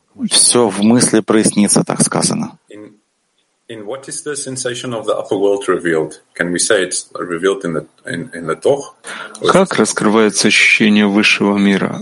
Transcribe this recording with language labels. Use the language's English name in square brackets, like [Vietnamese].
[Russian] Все в мысли прояснится, так сказано. [English] In what is the sensation of the upper world revealed? Can we say it's revealed in the Тох? [Russian] Как раскрывается ощущение высшего мира?